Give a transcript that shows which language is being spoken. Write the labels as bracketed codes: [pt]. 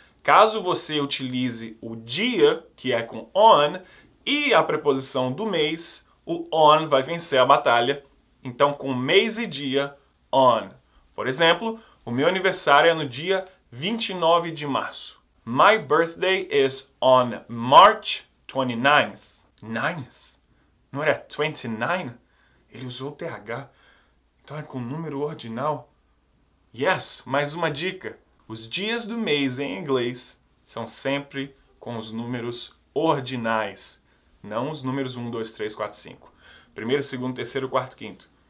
[pt] Caso você utilize o dia, que é com on, e a preposição do mês, o on vai vencer a batalha. Então, com mês e dia, on. Por exemplo, o meu aniversário é no dia 29 de março. [en] My birthday is on March 29th. [pt] 9th? Não era 29? Ele usou o TH. Então é com número ordinal. Yes, mais uma dica. Os dias do mês em inglês são sempre com os números ordinais. Não os números 1, 2, 3, 4, 5. Primeiro, segundo, terceiro, quarto, quinto.